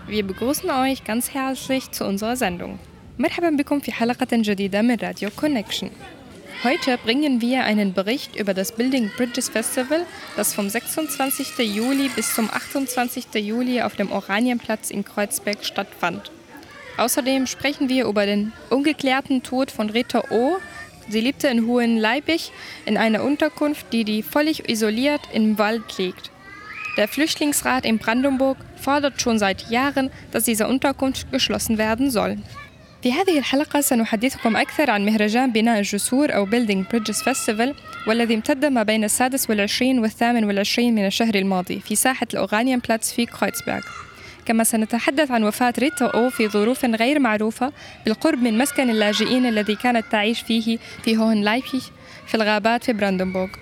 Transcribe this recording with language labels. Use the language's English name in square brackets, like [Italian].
[German] Wir begrüßen euch ganz herzlich zu unserer Sendung. [Arabic] مرحبا بكم في حلقة جديدة من Radio Connection. [German] Heute bringen wir einen Bericht über das Building Bridges Festival, das vom 26. Juli bis zum 28. Juli auf dem Oranienplatz in Kreuzberg stattfand. Außerdem sprechen wir über den ungeklärten Tod von Rita O. Sie lebte in Hohenleipig in einer Unterkunft, die völlig isoliert im Wald liegt. Der Flüchtlingsrat in Brandenburg fordert schon seit Jahren, dass diese Unterkunft geschlossen werden soll. [Arabic] في هذه الحلقة سنحدثكم أكثر عن مهرجان بناء الجسور أو Building Bridges Festival والذي امتد ما بين 26 و 28 من الشهر الماضي في ساحة الأوغانيان بلاتس في كرويتسبرغ. كما سنتحدث عن وفاة ريتا أو في ظروف غير معروفة بالقرب من مسكن اللاجئين الذي كانت تعيش فيه في هوهنلايبيغ في الغابات في براندنبورغ.